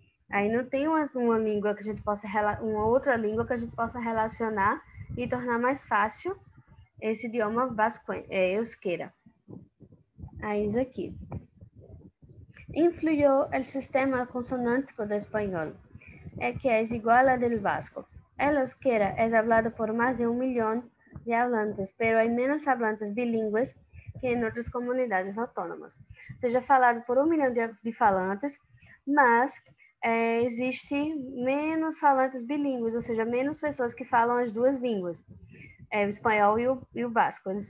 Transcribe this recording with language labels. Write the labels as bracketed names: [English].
[Portuguese] Aí não tem uma língua que a gente possa uma outra língua que a gente possa relacionar e tornar mais fácil esse idioma vasco, euskera. Aí isso aqui. Influiu o sistema consonântico do espanhol, é que é igual ao del vasco. [Spanish] El euskera es hablado por más de 1 millón de hablantes, pero hay menos hablantes bilingües que en otras comunidades autónomas. [Portuguese] Seja falado por 1 milhão de falantes, mas existe menos falantes bilíngues, ou seja, menos pessoas que falam as duas línguas, o espanhol e o basco.